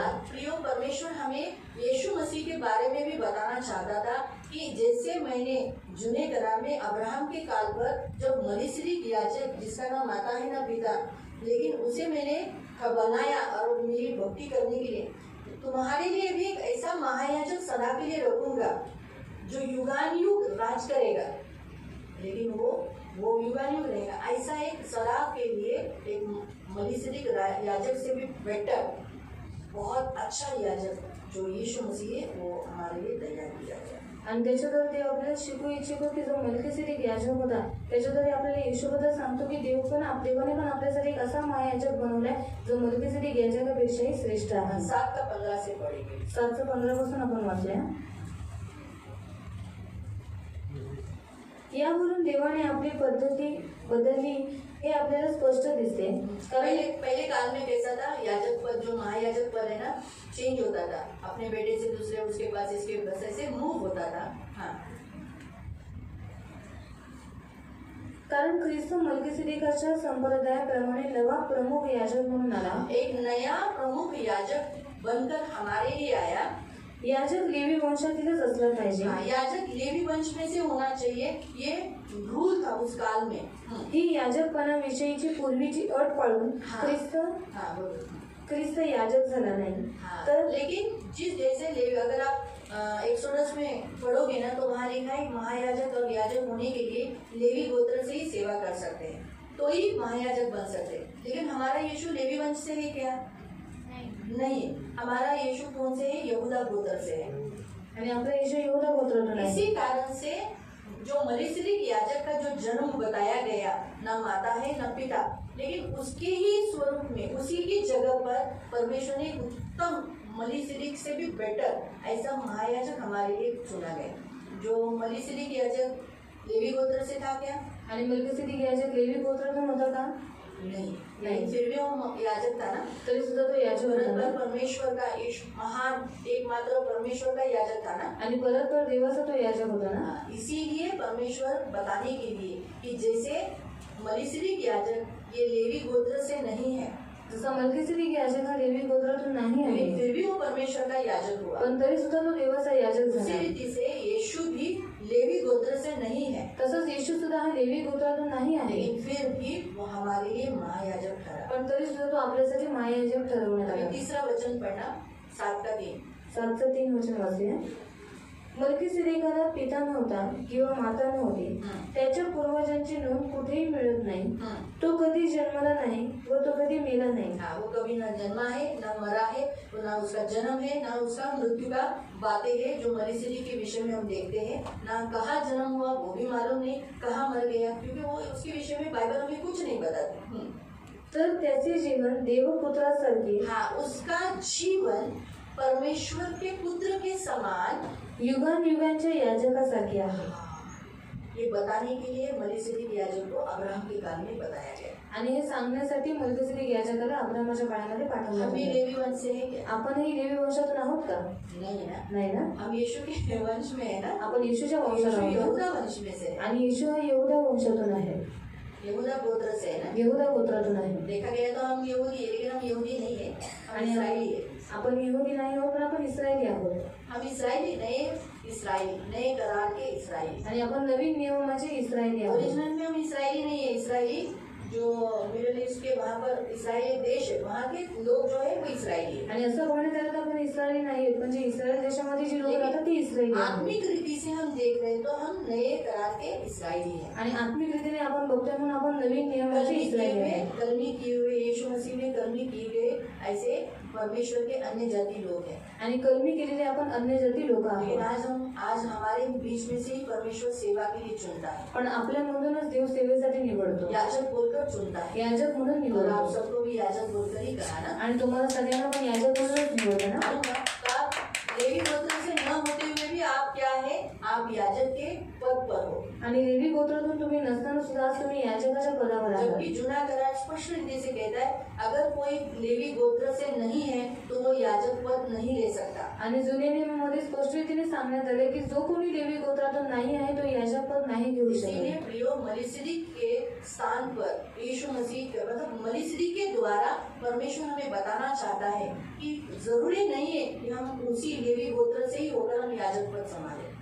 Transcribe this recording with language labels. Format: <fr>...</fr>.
<hi>प्रियो परमेश्वर हमें येशु मसीह के बारे में भी बताना चाहता था कि जैसे मैंने जुने करार में अब्राहम के काल पर जब मलिसरी याजक जिसका ना माता है ना पिता लेकिन उसे मैंने बनाया और मेरी भक्ति करने के लिए तुम्हारे लिए भी एक ऐसा महायाजक सदा के लिए रखूंगा जो युगानुयुग राज करेगा लेकिन वो युगानुयुग रहेगा ऐसा एक सदा के लिए एक मलिसरी याजक से भी बेटर बहुत अच्छा याजक जो येशु मसीह है वो हमारे लिए तैयार किया गया</hi> <mr>आणि त्याच्यावर देव आपल्याला शिकू इच्छितो की जो मलिकेसिटी याजक होता त्याच्याद्वारे आपल्याला येशूबद्दल सांगतो की देव पण देवाने पण आपल्यासाठी एक असा महायाजक बनवलाय जो मलिकेसिटी याजकापेक्षाही श्रेष्ठ आहे</mr> <hi>7-15 से पडे</hi> <mr>7-15 पासून आपण वाचूया यावरून देवाने आपली पद्धती बदलली हे आपल्याला स्पष्ट दिसते</mr> <hi>पहिले काल में कैसा था याजक पद जो महायाजक पद है ना चेंज होता था अपने बेटे से दूसरे उसके पास इसके बस ऐसे मूव होता था हाँ</hi> <mr>कारण ख्रिस्त मलिकेसिदेकाच्या संप्रदायाप्रमाणे नवा प्रमुख याजक म्हणून आला</mr> <hi>एक नया प्रमुख याजक बनकर हमारे ही आया</hi> <mr>याजक लेवी वंशातीलच असला पाहिजे</mr> <hi>याजक लेवी वंश में से होना चाहिए ये रूल था उस काल में</hi> <mr>ही याजकपणाविषयीची पूर्वीची अट पाळून ख्रिस्त ख्रिस्त याजक झाला नाही</mr> <hi>तर लेकिन जिस जैसे लेवी अगर आप एक्सोडस में पढ़ोगे ना तो वहां लिखा है महायाजक और याजक होने के लिए लेवी गोत्र से ही सेवा कर सकते हैं तो ही महायाजक बन सकते हैं लेकिन हमारा यीशु लेवी वंश से है क्या नहीं हमारा यीशु कौन से है यहूदा गोत्र से है यानी हमारा यीशु यहूदा गोत्र का नहीं इसी कारण से जो मलिकेसिदेक याजक का जो जन्म बताया गया ना माता है ना पिता लेकिन उसके ही स्वरूप में उसी की जगह पर परमेश्वर ने उत्तम मलिकेसिदेक से भी बेटर ऐसा महायाजक हमारे लिए चुना गया जो मलिकेसिदेक याजक लेवी गोत्र से था क्या यानी मलिकेसिदेक याजक लेवी गोत्र का होता था नहीं फिर भी वो याजक था ना</hi> <mr>तरी सुद्धा तो याजक</mr> <hi>परत परमेश्वर का महान एकमात्र परमेश्वर का याजक था ना</hi> <mr>आणि परत पर देवाचा तो याजक होता ना</mr> <hi>इसीलिए परमेश्वर बताने के लिए कि जैसे मलिकेसिदेक याजक ये लेवी गोत्र से नहीं है</hi> <mr>जसा मलिकेसिदेक याजक हा लेवी गोत्रातून नाही आहे</mr> <hi>फिर भी वो परमेश्वर का याजक हुआ</hi> <mr>पण तरी सुद्धा तो देवाचा याजक झाला</mr> <hi>इसी रीति से येशू भी लेवी गोत्र से नहीं है</hi> <mr>तसंच येशू सुद्धा हा लेवी गोत्रातून नाही आहे</mr> <hi>फिर भी वो हमारे लिए महायाजक ठरा</hi> <mr>पण तरी सुद्धा तो आपल्यासाठी महायाजक ठरवण्यात</mr> <hi>आला तिसरा वचन पढ़ना 7:3</hi> <mr>वचन वाचूया मलकीसिदेकाला पिता नव्हता किंवा माता नव्हती, त्याच्या पूर्वजांची नोंद कुठेही मिळत नाही, तो कधी जन्मला नाही व तो कधी मेला नाही,</mr> <hi>वो कभी ना जन्मा आहे ना मरा आहे, ना उसका जन्म है ना उसका मृत्यु का बातें है जो मलकीसिदे के विषय में हम देखते है, ना कहा जन्म हुआ वो भी मालूम नहीं, कहा मर गया क्योंकि वो उसके विषय में बाइबल हमें कुछ नहीं बताते।</hi> <mr>तर त्याचे जीवन देवपुत्रा सारखे,</mr> <hi>हाँ उसका जीवन परमेश्वर के पुत्र के समान</hi> <mr>युगान युगांच्या याजकासारखे आहे।</mr> <hi>हे बताने के लिए मलकीसिदेक याजक को अब्राहम के काल में बताया गया,</hi> <mr>आणि हे सांगण्यासाठी मलकीसिदेक याजकाला अब्राहमच्या काळामध्ये पाठवलं। आम्ही लेवी वंश आहे, आपणही लेवी वंशातून आहोत का? नाही</mr> <hi>ना, आम्ही येशू के वंश में आहे ना,</hi> <mr>आपण येशूच्या वंशात आहोत,</mr> <hi>यहूदा वंश में से,</hi> <mr>आणि येशू हा यहूदा वंशातून आहे,</mr> <hi>यहूदा गोत्र से है ना,</hi> <mr>यहूदा गोत्रातून आहे,</mr> <hi>देखा गया तो हम यहूदी है लेकिन हम यहूदी नहीं है, आणि इस्राएली है,</hi> <mr>आपण यहूदी नाही आहोत पण आपण इस्रायली आहोत,</mr> <hi>हम इस्रायली नए इस्रायली नए करार के इस्रायली,</hi> <mr>आणि आपण नवीन नियमाचे इस्रायली आहोत,</mr> <hi>ओरिजिनल में हम इस्रायली नहीं है, इस्रायली जो मिडल ईस्ट के वहां पर इस्रायली देश है वहां के लोग जो है वो इस्रायली है,</hi> <mr>आणि असं कोणी करत आपण इस्रायली नाही आहोत, म्हणजे इस्रायल देशामध्ये जे लोक राहतात ते इस्रायली</mr> <hi>आहेत, आत्मिक रीती से हम देख रहे तो हम नए करार के इस्रायली है,</hi> <mr>आणि आत्मिक रीतीने आपण बघतोय म्हणून आपण नवीन नियमाचे इस्रायली आहे,</mr> <hi>कलमी किए हुए येशू मसीह ने कलमी किए हुए ऐसे परमेश्वर के अन्य जाति लोग है,</hi> <mr>आणि कलमी केलेले आपण अन्य जाति लोक आहोत,</mr> <hi>आज हमारे बीच में से ही परमेश्वर सेवा के लिए चुनता है,</hi> <mr>पण आपल्या मधूनच देव सेवेसाठी निवडतो,</mr> <hi>याचक बोलकर चुनता है,</hi> <mr>याचक म्हणून निवडतो,</mr> <hi>आप सबको भी याचक बोलकर ही कहा ना,</hi> <mr>आणि तुम्हाला सगळ्यांना पण याचक म्हणूनच निवडतो ना,</mr> <hi>लेवी गोत्र से न होते हुए भी आप क्या है, आप याजक के पद पर हो,</hi> <mr>आणि लेवी गोत्रातून तुम्ही नसताना सुद्धा तुम्ही याजकाच्या पदावर</mr> <hi>आहात, जबकि जुना करार स्पष्ट रीति से कहता है अगर कोई लेवी गोत्र से नहीं है तो वो याजक पद नहीं ले सकता,</hi> <mr>आणि जुन्या नियमामध्ये स्पष्ट रीतीने सांगण्यात आले की जो कोणी लेवी गोत्रातून नाही आहे तो याजक पद नाही घेऊ</mr> <hi>शकत, मलकीसिदेक के स्थान पर येशू मसीह मतलब मलकीसिदेक के द्वारा परमेश्वर हमें बताना चाहता है कि जरूरी नहीं है कि हम उसी लेवी गोत्र से ही होकर हम याजक पद संभाले,</hi>